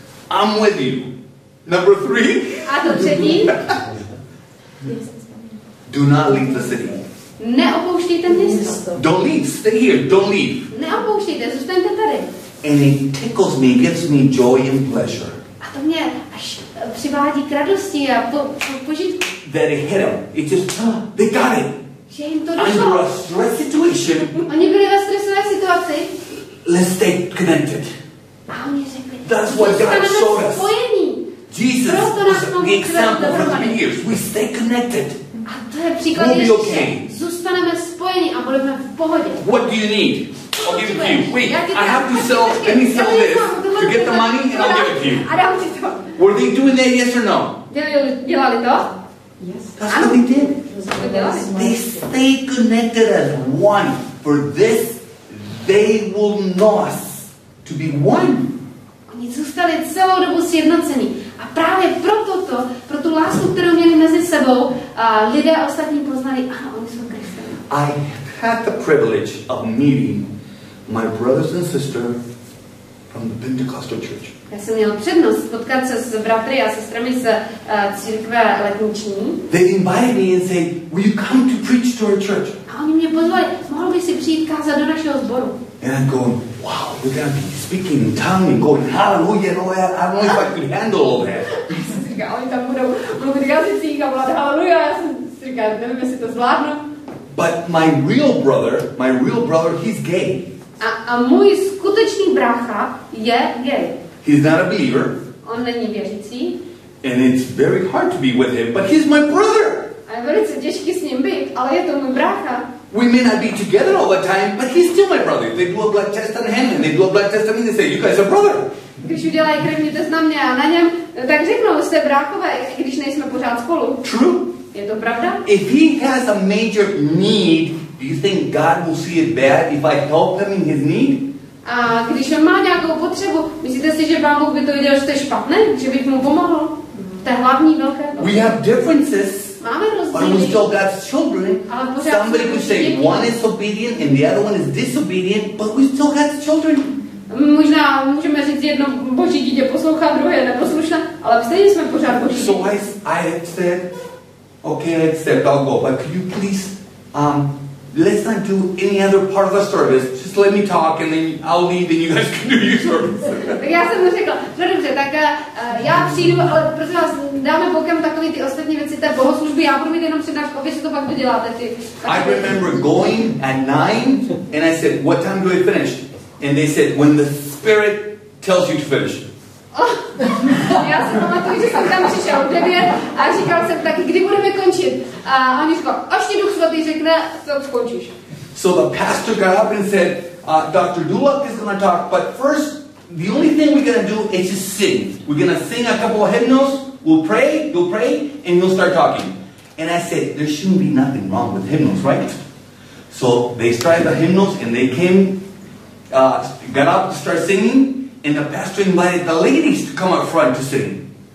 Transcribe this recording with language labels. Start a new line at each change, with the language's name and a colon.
English: I'm with you. Number three.
Czech: A to třetí.
English: Do not leave the city.
Czech: Neopouštějte město.
English: Don't leave. Stay here. Don't leave.
Czech: Neopouštějte. Zůstaňte tady.
English: And it tickles me. Gives me joy and pleasure.
Czech: A to mě až přivádí k radosti a požitku.
English: That it hit them. It just, they got it.
Czech: Že jim to došlo.
English: Under a stress situation.
Czech: Oni byli ve stresové situaci.
English: Let's stay connected. That's what God showed us. Jesus was the example for 3 years. We stay connected. We'll be okay.
Czech: Zůstaneme spojení a budeme v pohodě.
English: What do you need? I'll give it to you. Wait, I have to sell, let me sell this to get the money and I'll give it to you. Were they doing that, yes or no?
Czech: Dělali to?
English: Yes. That's what they did. They stay connected as one for this. They will know us to be one.
Czech: Oni zůstali celou dobu sjednocení. A právě proto, pro tu lásku, kterou měli mezi sebou, lidé ostatní poznali, ano, oni jsou křesťané.
English: I had the privilege of meeting my brothers and sisters from the Pentecostal church.
Czech: Já jsem měl přednost potkat se s bratry a sestrami z církve letniční.
English: They invited me and said, will you come to preach to our church?
Czech: A oni mě pozvali, mohl by si přijít kázat do našeho sboru.
English: And I'm going, wow, we're going to be speaking in tongues and going, hallelujah, and all that. I don't know if I can handle all that.
Czech: Já jsem si říkal, oni tam budou mluvit jazycích a volat hallelujah. Já jsem si říkal, nevím, jestli to zvládnu.
English: But my real brother, he's gay.
Czech: A můj skutečný brácha je gay.
English: He's not a believer.
Czech: On není věřící.
English: And it's very hard to be with him, but he's my brother.
Czech: A je velice těžký s ním být, ale je to můj brácha.
English: We may not be together all the time, but he's still my brother. They blow a blood test on him and they blow a blood test on me and they say, you guys are brother.
Czech: Když udělají krevní test na mě a na něm, tak řeknou, jste bráchové, když nejsme pořád spolu.
English: True.
Czech: Je to pravda?
English: If he has a major need, do you think God will see it bad if I help him in his need?
Czech: A když on má nějakou potřebu, myslíte si, že Pán Bůh by to viděl, že jste špatné? Že bych mu pomohl? To je hlavní velké.
English: We have differences.
Czech: Máme rozdíly.
English: But we're still God's children. Somebody could say one is obedient and the other one is disobedient, but we're still God's children.
Czech: Možná můžeme říct jedno Boží dítě poslouchá, druhé neposlouchá, ale stejně jsme pořád Boží.
English: So I said, okay, I accept, I'll go, but could you please, let's not do any other part of the service. Just let me talk and then I'll leave and you guys can do your service.
Czech: Tak já jsem mu řekl, no dobře, tak já přijdu, ale prosím vás, dáme bokem takový ty ostatní věci té bohoslužby, já budu mít jenom přednášku, vy si to pak doděláte.
English: I remember going at 9 and I said, what time do I finish? And they said, when the Spirit tells you to finish.
Czech: Já si pamatuju, že jsem tam přišel u 9 a říkal jsem taky, kdy budeme končit. A on mi říkal, až ti Duch Svatý řekne, to skončíš.
English: So the pastor got up and said, Dr. Dulak is going to talk, but first, the only thing we're going to do is just sing. We're going to sing a couple of hymnals, we'll pray, and we'll start talking. And I said, there shouldn't be nothing wrong with hymnals, right? So they started the hymnals, and they came, got up to start singing, and the pastor invited the ladies to come up front to sing.